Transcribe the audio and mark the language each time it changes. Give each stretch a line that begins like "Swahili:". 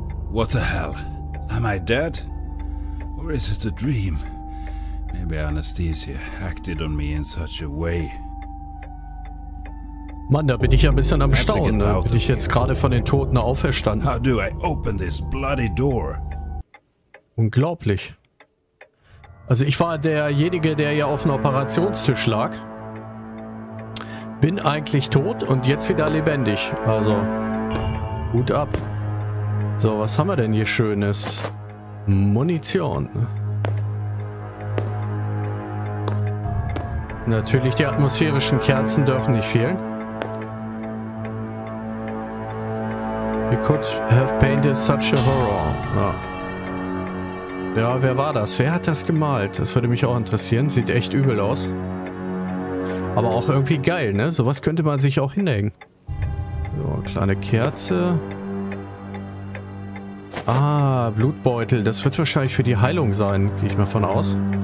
English: What the hell? Am I dead? Or is it a dream? Maybe anesthesia acted on me in such a way.
German: Mann, da bin ich ja ein bisschen am Staunen. Da bin ich jetzt gerade von den Toten auferstanden.
English: How do I open this bloody door?
German: Unglaublich. Also ich war derjenige, der ja auf den Operationstisch lag. Bin eigentlich tot und jetzt wieder lebendig. Also, Hut ab. So, was haben wir denn hier Schönes? Munition. Natürlich, die atmosphärischen Kerzen dürfen nicht fehlen.
English: You could have painted such a horror.
German: Ah. Ja, wer war das? Wer hat das gemalt? Das würde mich auch interessieren. Sieht echt übel aus. Aber auch irgendwie geil, ne? Sowas könnte man sich auch hinhängen. So, kleine Kerze. Ah, Blutbeutel. Das wird wahrscheinlich für die Heilung sein. Gehe ich mal von aus.